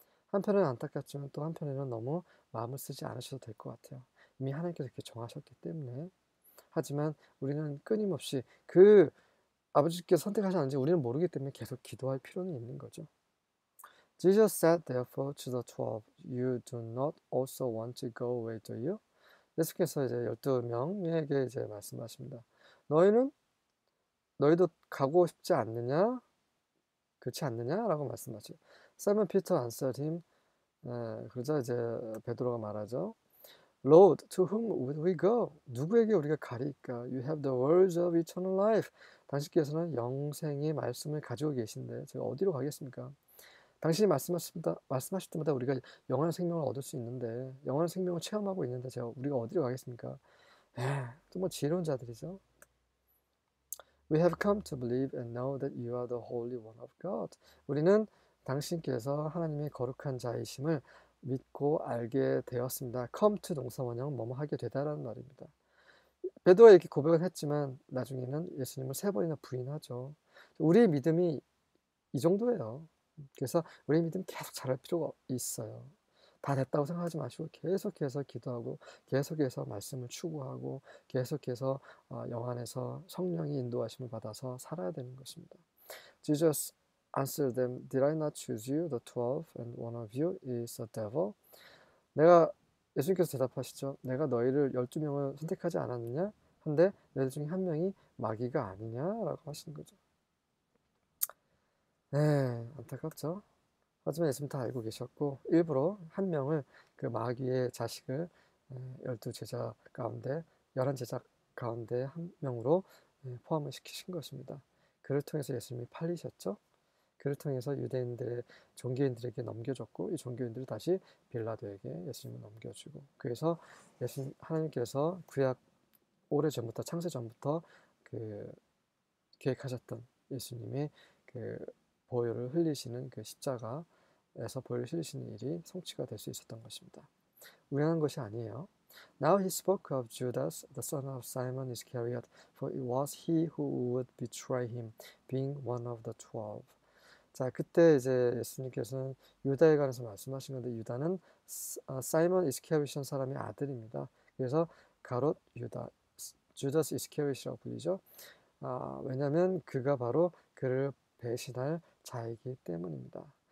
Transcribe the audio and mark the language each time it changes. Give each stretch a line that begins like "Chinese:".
Korean: 한편은 안타깝지만 또 한편에는 너무 마음을 쓰지 않으셔도 될것 같아요. 이미 하나님께서 그렇게 정하셨기 때문에. 하지만 우리는 끊임없이 그 아버지께서 선택하셨는지 우리는 모르기 때문에 계속 기도할 필요는 있는 거죠.
English: Jesus said, therefore, to the 12, you do not also want to go away, do you?
Korean: 예수께서 이제 12명에게 이제 말씀하십니다. 너희도 가고 싶지 않느냐? 그렇지 않느냐? 라고 말씀하죠.
English: Simon Peter answered him.
Korean: 그러자 이제 베드로가 말하죠.
English: Lord, to whom would we go?
Korean: 누구에게 우리가 가리까?
English: You have the words of eternal life.
Korean: 당신께서는 영생의 말씀을 가지고 계신데 제가 어디로 가겠습니까? 당신이 말씀하실 때마다 우리가 영원한 생명을 얻을 수 있는데 영원한 생명을 체험하고 있는데 제가 우리가 어디로 가겠습니까? 정말 지혜로운 자들이죠.
English: We have come to believe and know that you are the Holy One of God.
Korean: 우리는 당신께서 하나님의 거룩한 자이심을 믿고 알게 되었습니다. Come to 동사원형 뭐뭐 하게 되다라는 말입니다. 베드로가 이렇게 고백을 했지만 나중에는 예수님을 세 번이나 부인하죠. 우리의 믿음이 이 정도예요. 그래서 우리의 믿음 계속 자랄 필요가 있어요. 다 됐다고 생각하지 마시고 계속해서 기도하고 계속해서 말씀을 추구하고 계속해서 영 안에서 성령의 인도하심을 받아서 살아야 되는 것입니다.
English: Jesus answered them, Did I not choose you, the 12, and one of you is a devil?
Korean: 예수님께서 대답하시죠. 내가 너희를 12명을 선택하지 않았느냐? 근데 너희 중에 한 명이 마귀가 아니냐라고 하시는 거죠. 안타깝죠. 하지만 예수님 다 알고 계셨고 일부러 한 명을 그 마귀의 자식을 11제자 가운데 한 명으로 포함을 시키신 것입니다. 그를 통해서 예수님이 팔리셨죠. 그를 통해서 유대인들의 종교인들에게 넘겨줬고 이 종교인들을 다시 빌라도에게 예수님을 넘겨주고 그래서 예수님 하나님께서 구약 오래 전부터 창세 전부터 그 계획하셨던 예수님의 그 보혈을 흘리시는 그 십자가에서 보혈을 흘리시는 일이 성취가 될수 있었던 것입니다. 우연한 것이 아니에요.
English: Now he spoke of Judas, the son of Simon Iscariot, for it was he who would betray him, being one of the 12.
Korean: 자, 그때 이제 예수님께서는 유다에 관해서 말씀하신 건데 유다는 사이먼 이스카리옷이라는 사람의 아들입니다. 그래서 가롯 유다, 주다스 이스카리옷이라고 불리죠. 왜냐하면 그가 바로 그를 배신할 자이기 때문입니다.